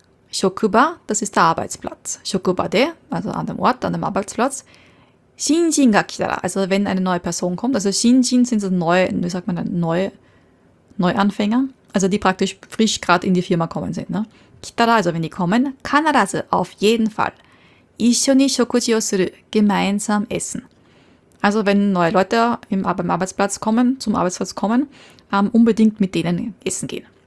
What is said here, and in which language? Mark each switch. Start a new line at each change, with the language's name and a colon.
German: Shokuba, das ist der Arbeitsplatz.
Japanese: Shokuba de,
German: also an dem Ort, an dem Arbeitsplatz.
Japanese: Shinjin ga kitara,
German: also wenn eine neue Person kommt. Also shinjin sind so neue, wie sagt man, Neuanfänger. Also die praktisch frisch gerade in die Firma kommen sind. Ne? Kitara, also wenn die kommen. Kanarazu, auf jeden Fall.
Japanese: 一緒に食事をする,
German: gemeinsam essen. Also wenn neue Leute zum Arbeitsplatz kommen, unbedingt mit denen essen gehen.